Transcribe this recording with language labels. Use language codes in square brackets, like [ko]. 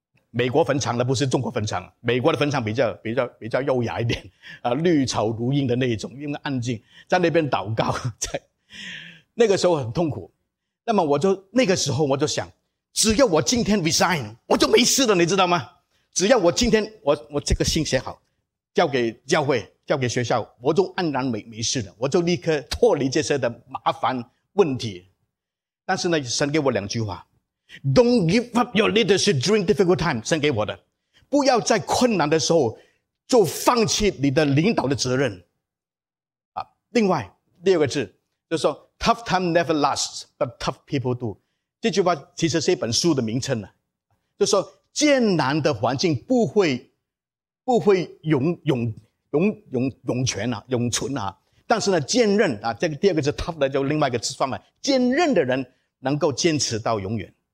[zh] 美国坟场的不是中国坟场，美国的坟场比较优雅一点啊，绿草如茵的那一种，因为安静，在那边祷告，在那个时候很痛苦。那么我就那个时候我就想，只要我今天 resign， 我就没事了，你知道吗？只要我今天我这个信写好，交给教会。交给学校，我就安然没事了，我就立刻脱离这些的麻烦问题。但是呢，神给我两句话 [en] ：Don't give up your leadership during difficult time。 [zh] 神给我的，不要在困难的时候就放弃你的领导的责任。啊，另外第二个字就是说 [en] ：Tough time never lasts, but tough people do。 [zh] 这句话其实是一本书的名称了，就是说艰难的环境不会永存啊，但是呢，坚韧啊，这个第二个字 tough 的就另外一个字放了，坚韧的人能够坚持到永远。